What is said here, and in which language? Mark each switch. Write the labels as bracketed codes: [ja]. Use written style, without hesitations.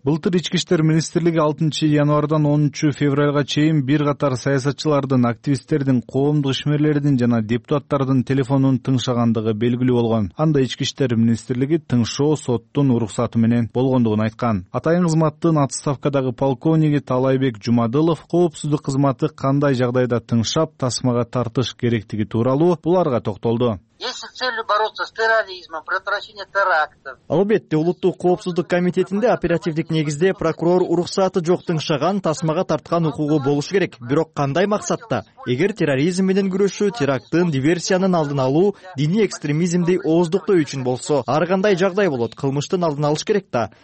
[ky] Былтыр Ички иштер министрлиги 6 январдан 13 февральга чейин бир катар саясатчылардын, активисттердин, коомдук ишмерлердин жана депутаттардын телефонун тыңшагандыгы белгилүү болгон. Анда Ички иштер министрлиги тыңшоо соттун уруксаты менен болгондугун айткан. Атайын кызматтын отставкадагы полковниги Талайбек Жумадылов коопсуздук кызматы кандай жагдайда тыңшап тасмага тартыш керектиги тууралуу буларга токтолду. [ru] Если целью бороться с терроризмом, предотвращение терактов. [ky] Албетте, улуттук коопсуздук комитетинде оперативдик негизде прокурор уруксаты жок тыңшаган тасмага тарткан укугу болушу керек. Бирок кандай максатта? Эгер терроризм менен күрөшүү, терактын, диверсиянын алдын алуу, диний экстремизмди ооздуктоо үчүн болсо, ар кандай жагдай болот, кылмыштын алдын алыш керек да.